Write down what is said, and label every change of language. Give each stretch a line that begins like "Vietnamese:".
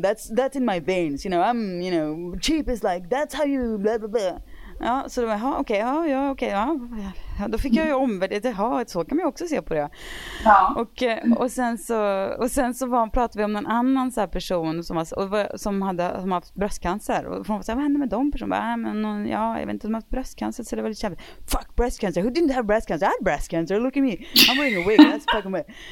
English: That's in my veins, you know. I'm, you know, cheap is like, that's how you blah blah blah.
Swedish: Ja, så då var jag, okej, okay, ja, okej, okay, ja. Då fick jag ju omvärdera, ja, så kan man ju också se på det. Ja. Och sen så var, pratade vi om någon annan så här person som haft bröstcancer. Och hon var så här, vad hände med de personerna? Ja, jag vet inte, de har haft bröstcancer, så det var lite kämpigt.
English: Fuck breast cancer, who didn't have breast cancer? I had breast cancer, look at me. I'm wearing a wig, that's fucking weird.